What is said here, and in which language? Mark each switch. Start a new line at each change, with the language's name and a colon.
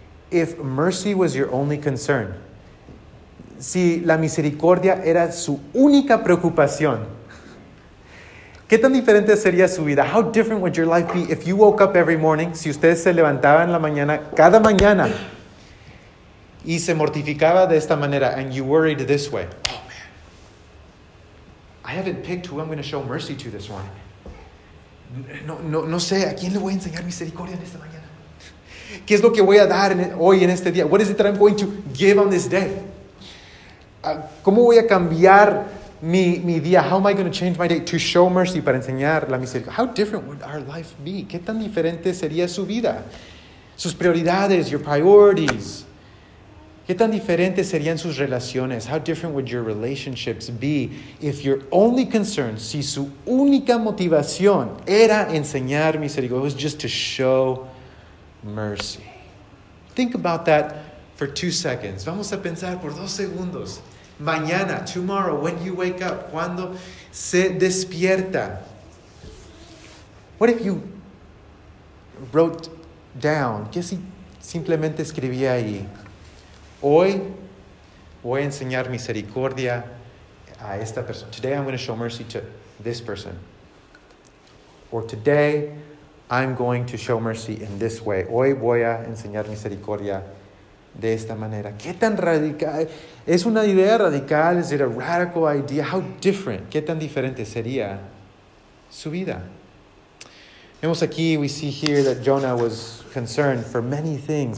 English: If mercy was your only concern,
Spanish: si la misericordia era su única preocupación, ¿qué tan diferente sería su vida?
English: How different would your life be if you woke up every morning,
Spanish: si usted se levantaba en la mañana, cada mañana, y se mortificaba de esta manera,
English: and you worried this way. Oh, man. I haven't picked who I'm going to show mercy to this morning.
Spanish: No sé, ¿a quién le voy a enseñar misericordia en esta mañana? ¿Qué es lo que voy a dar hoy en este día?
English: What is it that I'm going to give on this day?
Spanish: ¿Cómo voy a cambiar mi día?
English: How am I going to change my day to show mercy,
Spanish: para enseñar la misericordia?
English: How different would our life be?
Spanish: ¿Qué tan diferente sería su vida? Sus prioridades,
English: your priorities.
Spanish: ¿Qué tan diferente serían sus relaciones?
English: How different would your relationships be if your only concern,
Spanish: si su única motivación era enseñar misericordia,
English: was just to show mercy? Think about that for 2 seconds.
Spanish: Vamos a pensar por 2 segundos.
English: Mañana, tomorrow, when you wake up,
Spanish: cuando se despierta.
English: What if you wrote down,
Spanish: ¿qué si simplemente escribí ahí? Hoy voy a enseñar misericordia a esta persona.
English: Today I'm going to show mercy to this person. Or today I'm going to show mercy in this way.
Spanish: Hoy voy a enseñar misericordia de esta manera. ¿Qué tan radical? ¿Es una idea radical?
English: Is it a radical idea? How different?
Spanish: ¿Qué tan diferente sería su vida? Vemos aquí,
English: we see here that Jonah was concerned for many things.